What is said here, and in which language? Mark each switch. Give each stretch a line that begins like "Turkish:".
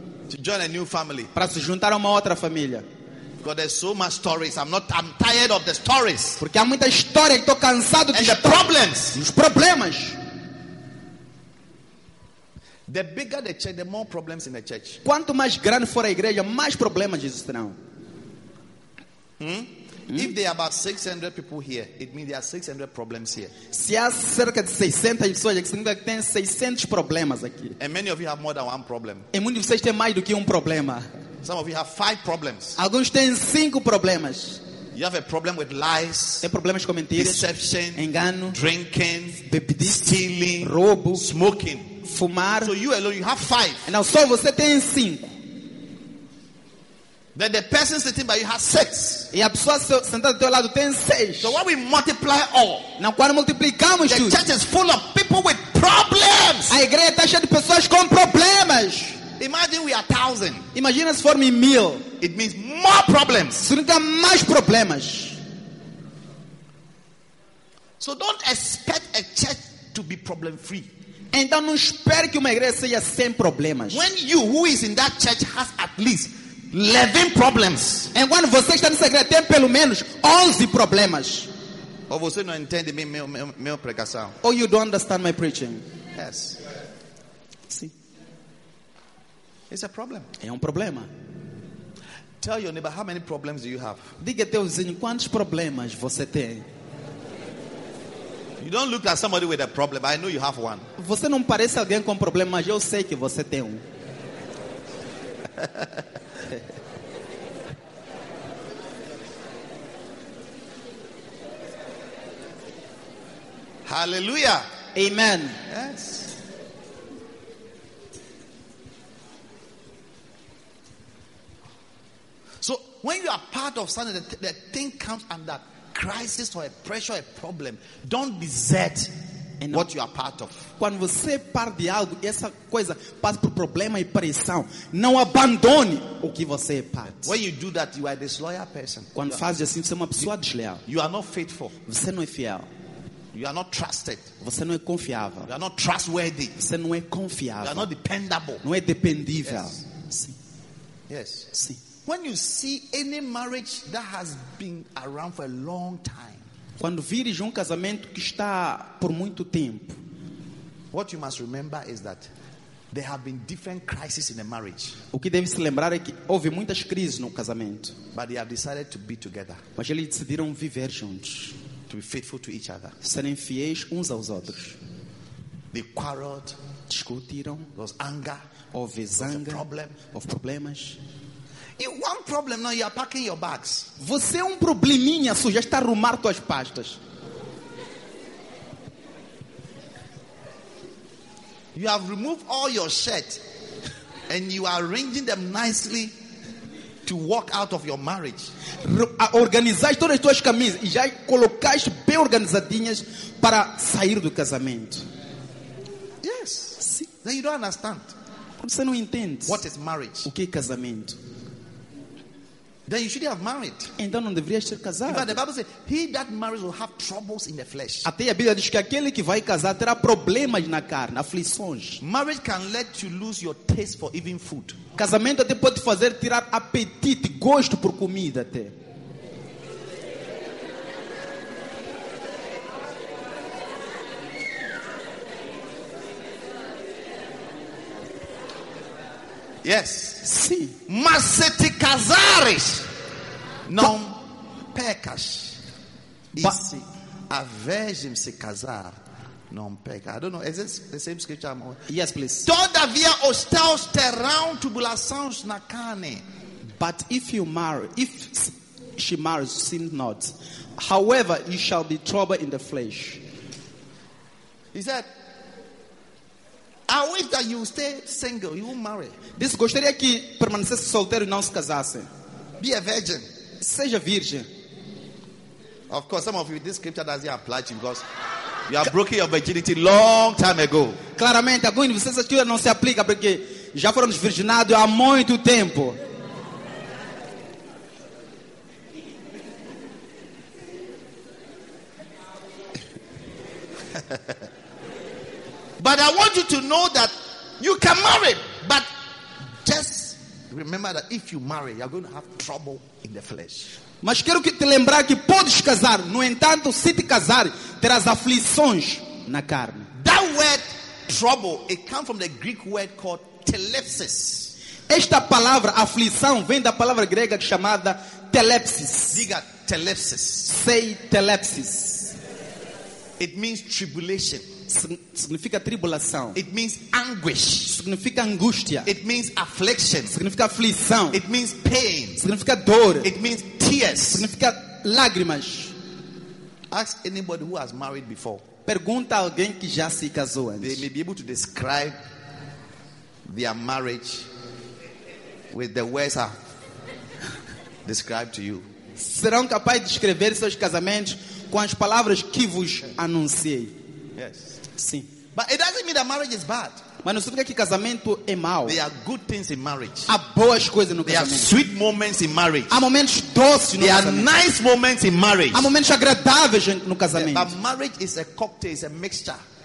English: To join a new family.
Portuguese: Para se juntar a uma outra família.
English: Because there's so much stories. I'm tired of the stories.
Portuguese: Porque há muita história. Estou cansado de histórias. Problems. Os problemas.
English: The bigger the church, the more problems in the church.
Portuguese: Quanto mais grande for a igreja, mais problemas Jesus terão.
English: If there are about 600 people here, it means there are 600 problems here.
Portuguese: Se há cerca de 600 pessoas, significa que tem 600 problemas aqui.
English: And many of you have more than one problem.
Portuguese: E muitos de vocês têm mais do que problema.
English: Some of you have 5 problems.
Portuguese: Alguns têm 5 problemas.
English: You have a problem with lies.
Portuguese: Tem problemas com mentiras,
English: deception,
Portuguese: engano,
English: drinking,
Portuguese: bebida,
English: stealing,
Portuguese: roubo,
English: smoking,
Portuguese: fumar.
English: So you alone, you have 5.
Portuguese: E não só você tem 5.
English: Then the person sitting by you has 6.
Portuguese: E a pessoa sentada do teu lado tem 6.
English: So when we multiply all,
Portuguese: now quando multiplicamos
English: tudo, the church is full of people with problems.
Portuguese: A igreja está cheia de pessoas com problemas.
English: Imagine we are 1,000.
Portuguese: Imagina se formos 1,000.
English: It means more problems.
Portuguese: Significa mais problemas.
English: So don't expect a church to be problem free.
Portuguese: Então não espere que uma igreja seja sem problemas.
English: When you who is in that church has at least 11 problems.
Portuguese: E quando você está nessa igreja tem pelo menos 11 problemas. Ou você não entende meu pregação.
English: Or you don't understand my preaching. Yes.
Portuguese: Sim.
English: It's a problem.
Portuguese: É problema.
English: Tell your neighbor how many problems do you have.
Portuguese: Diga teu vizinho quantos problemas você tem.
English: You don't look at somebody with a problem. I know you have one.
Portuguese: Você não parece alguém com problema, mas eu sei que você tem
English: Hallelujah. Amen. Yes. So when you are part of something, the thing comes under crisis or a pressure, a problem, don't desert and what you are part of.
Portuguese: Quando você parte de algo, essa coisa passa por problema e pressão. Não abandone o que você é parte.
English: When you do that, you are a disloyal person.
Portuguese: Quando faz assim, você é uma pessoa desleal.
English: You are not faithful.
Portuguese: Você não é fiel.
English: You are not trusted.
Portuguese: Você não é confiável.
English: You are not trustworthy.
Portuguese: Você não é confiável.
English: You are not dependable.
Portuguese: Não é dependível.
English: Yes.
Portuguese: Sim.
English: Yes.
Portuguese: Sim.
English: When you see any marriage that has been around for a long time.
Portuguese: Quando vires um casamento que está por muito tempo.
English: What you must remember is that there have been different crises in a marriage.
Portuguese: O que deve se lembrar é que houve muitas crises no casamento.
English: But they have decided to be together.
Portuguese: Mas eles decidiram viver juntos.
English: To be faithful to each other.
Portuguese: Serem fiéis uns aos outros.
English: They quarreled.
Portuguese: Discutiram.
English: There was anger.
Portuguese: Houve zanga. Houve problemas.
English: You one problem now, you are packing your bags.
Portuguese: Você é probleminha, você já está a arrumar suas pastas.
English: You have removed all your shirt and you are arranging them nicely to walk out of your marriage.
Portuguese: Organizaste todas as tuas camisas e já colocaste bem organizadinhas para sair do casamento.
English: Yes.
Portuguese: Sim.
English: Then you don't understand.
Portuguese: Você não entende.
English: What is marriage?
Portuguese: O que é casamento?
English: Then you should have married.
Portuguese: Então não deverias ter casado.
English: In fact, the Bible says, he that marries will have troubles in the flesh.
Portuguese: Até a Bíblia diz que aquele que vai casar terá problemas na carne, aflições.
English: Marriage can let you lose your taste for even food.
Portuguese: Casamento até pode fazer tirar apetite, gosto por comida até.
English: Yes.
Portuguese: Sim. Mas se te casares, não pecas. E se a virgem se casar, não peca.
English: I don't know. Is this the same scripture? I'm... Yes, please.
Portuguese: Todavia os teus terão tribulações na carne.
English: But if you marry, if she marries, sin not. However, you shall be troubled in the flesh. He said, I wish that you stay single. You won't marry.
Portuguese: Diz, gostaria que permanecesse solteiro e não se casasse.
English: Be a virgin.
Portuguese: Seja virgem.
English: Of course, some of you, this scripture doesn't apply to you because you have broken your virginity long time ago.
Portuguese: Claramente, alguns de vocês aqui não se aplica porque já foram desvirginados há muito tempo.
English: But I want you to know that you can marry, but just remember that if you marry, you're going to have trouble in the flesh.
Portuguese: Mas quero que te lembrar que podes casar, no entanto, se te casar, terás aflições na carne.
English: That word trouble, it comes from the Greek word called telepsis.
Portuguese: Esta palavra aflição vem da palavra grega chamada telepsis. Diga telepsis.
English: Say telepsis. It means tribulation.
Portuguese: Significa tribulação.
English: It means anguish.
Portuguese: Significa angústia.
English: It means affliction.
Portuguese: Significa aflição.
English: It means pain.
Portuguese: Significa dor.
English: It means tears.
Portuguese: Significa lágrimas.
English: Ask anybody who has married before.
Portuguese: Pergunta alguém que já se casou antes.
English: They may be able to describe their marriage with the words I described to you.
Portuguese: Serão capazes de descrever seus casamentos com as palavras que vos anunciei.
English: Yes.
Portuguese: Sim.
English: But it doesn't mean that marriage is bad.
Portuguese: Mas não significa que casamento é mau.
English: There are good things in marriage.
Portuguese: Há boas coisas no casamento.
English: There are sweet moments in marriage.
Portuguese: Há momentos doces no casamento.
English: There are nice moments in marriage.
Portuguese: Há momentos agradáveis no casamento.
English: But marriage is a cocktail, it's a mixture.